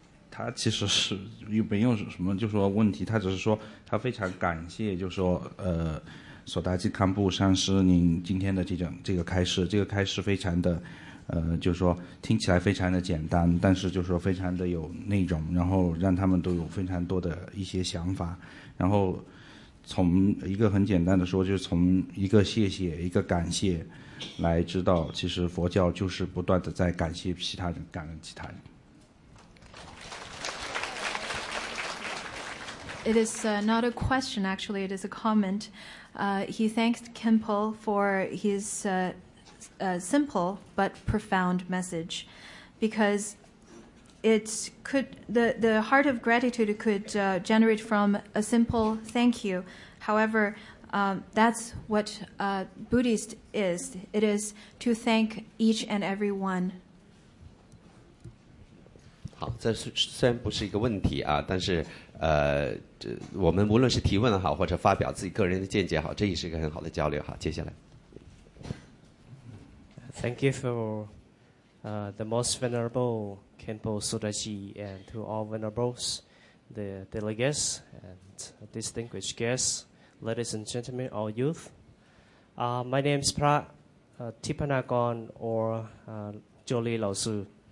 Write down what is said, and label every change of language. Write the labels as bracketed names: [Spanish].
[Chinese] 他其实是又没有什么就说问题他只是说他非常感谢就说索达吉堪布上师，您今天的这个开示，这个开示非常的，就是说听起来非常的简单，但是就是说非常的有内容，然后让他们都有非常多的一些想法。然后从一个很简单的说，就是从一个谢谢、一个感谢来知道，其实佛教就是不断的在感谢其他人、感恩其他人。 [English] It is not a question, actually, it is a comment. He thanked Khenpo for his simple but profound message, because it could the heart of gratitude could generate from a simple thank you. However, that's what Buddhist is. It is to thank each and every one. [Chinese] 好，这虽然不是一个问题啊，但是。我们无论是提问好，或者发表自己个人的见解好，这也是一个很好的交流。好，接下来。 [English] Thank you for the most venerable Khenpo Sodargye and to all venerables, the delegates and distinguished guests, ladies and gentlemen, all youth. My name is Pra Tipanagon or Jolie Lao Su.